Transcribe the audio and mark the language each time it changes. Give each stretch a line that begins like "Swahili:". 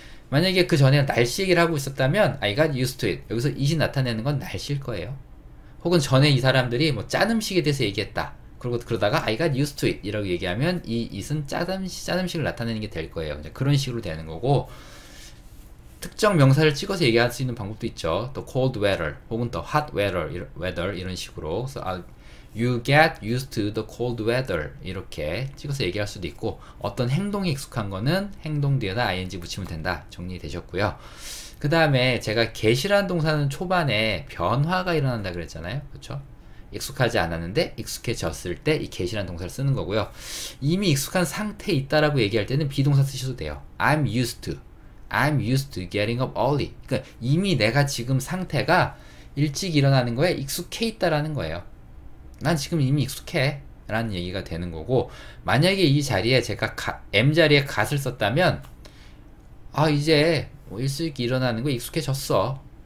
Korean: 만약에 그 전에 날씨 얘기를 하고 있었다면
English: I got used to it.
Korean: 여기서 it이 나타내는 건 날씨일 거예요. 혹은 전에 이 사람들이 뭐짠 음식에 대해서 얘기했다. 그리고 그러다가
English: I got used to it
Korean: 이라고 얘기하면 이 it은 짠 음식을 나타내는 게될 거예요. 이제 그런 식으로 되는 거고 특정 명사를 찍어서 얘기할 수 있는 방법도 있죠.
English: The cold weather 혹은 the hot weather
Korean: 이런 식으로.
English: You get used to the cold weather.
Korean: 이렇게 찍어서 얘기할 수도 있고, 어떤 행동에 익숙한 거는 행동 뒤에다 ing 붙이면 된다. 정리되셨고요. 그 다음에 제가 get이라는 동사는 초반에 변화가 일어난다 그랬잖아요. 그렇죠? 익숙하지 않았는데 익숙해졌을 때이 get이라는 동사를 쓰는 거고요. 이미 익숙한 상태에 있다라고 얘기할 때는 비동사 쓰셔도 돼요.
English: I'm used to getting up early.
Korean: 그러니까 이미 내가 지금 상태가 일찍 일어나는 거에 익숙해 있다라는 거예요. 난 지금 이미 익숙해 라는 얘기가 되는 거고, 만약에 이 자리에 제가 M 자리에 got을 썼다면, 아, 이제 일찍 일어나는 거 익숙해졌어.